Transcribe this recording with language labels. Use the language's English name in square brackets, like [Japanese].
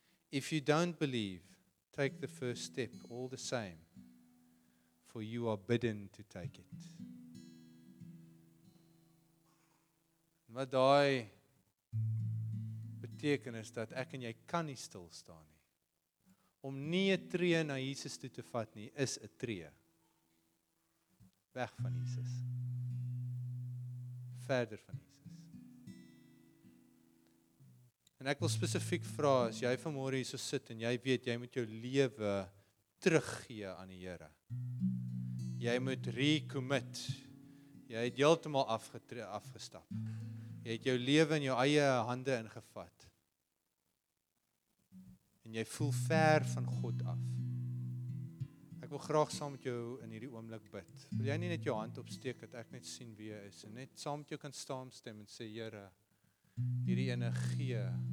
[English] If you don't believe, take the first step, all the same, for you are bidden to take it. [Afrikaans] Wat daai beteken is dat ek en jy kan nie stil staan nie. Om nie 'n tree na Jesus toe te vat nie, is 'n tree weg van Jesus. Verder van Jesus. En ek wil spesifiek vra, as jy vanmôre hier so sit en jy weet, jy moet jou lewe teruggee aan die Here. Jy moet recommit. Jy het heeltemal afgestap. Jy het jou lewe in jou eie hande ingevat. En jy voel ver van God af. Ek wil graag saam met jou in hierdie oomblik bid. Wil jy nie net jou hand opsteek, dat ek net sien wie jy is, en net saam met jou kan saamstem en sê, Here, hierdie ene gee.